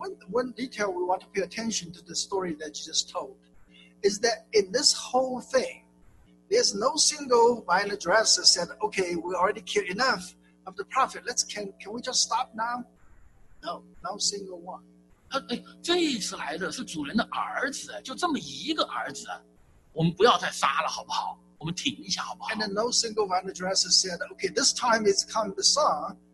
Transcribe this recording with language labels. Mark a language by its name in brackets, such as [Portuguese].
[English] One detail we want to pay attention to the story that Jesus told is that in this whole thing, there's no single vineyardress that said, okay, we already killed enough of the prophet, can we just stop now? No single one. [Chinese] 这一次来的是主人的儿子，就这么一个儿子，我们不要再杀了好不好？我们停一下好不好？ [English] And then no single vineyardress said, okay, this time it's come the son.